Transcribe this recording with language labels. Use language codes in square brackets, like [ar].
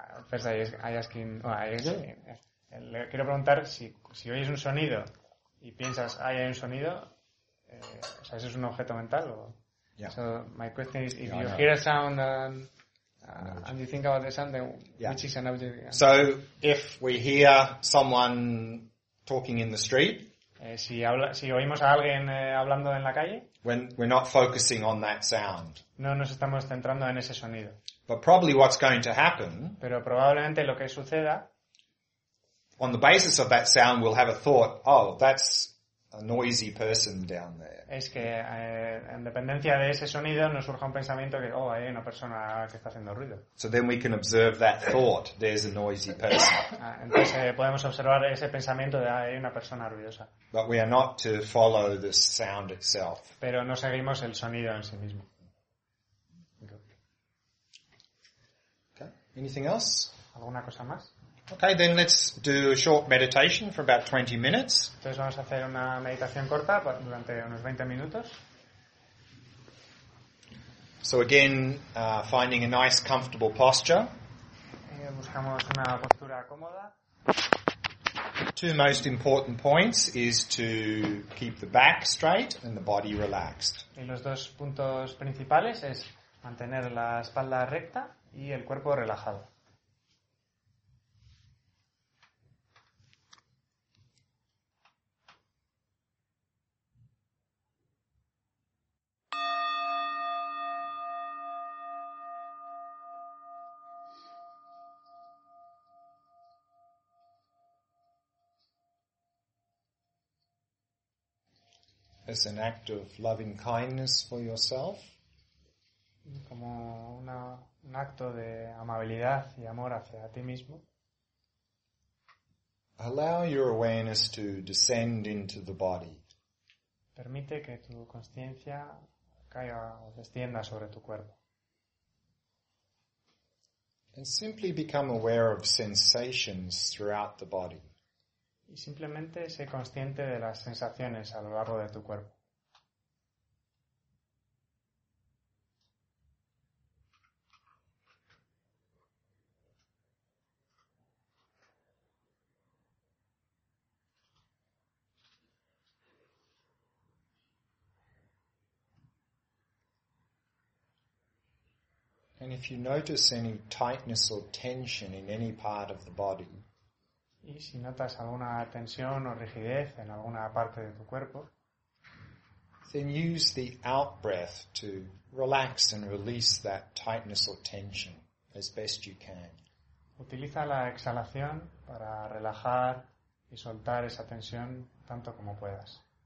[en] First, I ask him, [es] le quiero preguntar si oyes un sonido y piensas hay un sonido, o sea, ¿eso es un objeto mental? O, [en] yeah. So my question is, if you hear a sound and you think about the sound, then which is an object? So if we hear someone talking in the street, [es] Si oímos a alguien hablando en la calle, [en] when we're not focusing on that sound. [es] No nos estamos centrando en ese sonido. [en] But probably what's going to happen, [es] pero probablemente lo que suceda, [en] on the basis of that sound, we'll have a thought, oh, that's a noisy person down there. [es] Es que en dependencia de ese sonido nos surge un pensamiento que, oh, hay una persona que está haciendo ruido. [en] So then we can observe that thought, there's a noisy person. [es] Entonces podemos observar ese pensamiento de, hay una persona ruidosa. [en] But we are not to follow the sound itself. [es] Pero no seguimos el sonido en sí mismo. [en] Okay. Anything else? [es] ¿Alguna cosa más? [en] Okay, then let's do a short meditation for about 20 minutes. [es] Entonces vamos a hacer una meditación corta durante unos 20 minutos. [en] So again, finding a nice comfortable posture. [es] Buscamos una postura cómoda. [en] Two most important points is to keep the back straight and the body relaxed. [es] Y los dos puntos principales es mantener la espalda recta y el cuerpo relajado. [en] As an act of loving kindness for yourself. [es] Como un acto de amabilidad y amor hacia ti mismo. [en] Allow your awareness to descend into the body. [es] Permite que tu consciencia caiga o descienda sobre tu cuerpo. [en] And simply become aware of sensations throughout the body. [es] Y simplemente sé consciente de las sensaciones a lo largo de tu cuerpo. [en] And if you notice any tightness or tension in any part of the body, [es] y si notas alguna tensión o rigidez en alguna parte de tu cuerpo, [en] then use the out breath to relax and release that tightness or tension as best you can. [es] Utiliza la exhalación para relajar y soltar esa tensión tanto como puedas.